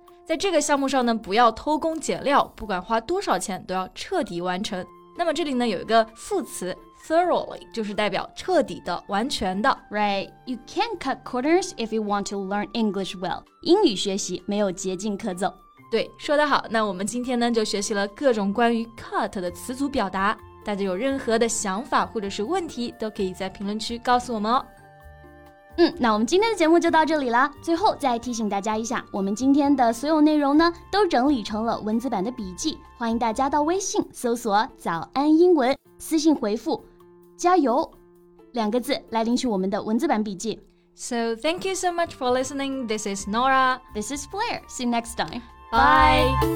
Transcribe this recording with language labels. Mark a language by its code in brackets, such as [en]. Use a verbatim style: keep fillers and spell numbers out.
[zh] 在这个项目上呢，不要偷工减料，不管花多少钱，都要彻底完成。那么这里呢有一个副词 thoroughly， 就是代表彻底的、完全的。 [en] Right, you can cut corners if you want to learn English well. [zh] 英语学习没有捷径可走。对，说得好。那我们今天呢就学习了各种关于 cut 的词组表达。大家有任何的想法或者是问题，都可以在评论区告诉我们哦。嗯，那我们今天的节目就到这里了。最后再提醒大家一下，我们今天的所有内容呢，都整理成了文字版的笔记，欢迎大家到微信搜索早安英文，私信回复加油两个字来领取我们的文字版笔记。 [en] So thank you so much for listening. This is Nora. This is Blair. See you next time. Bye.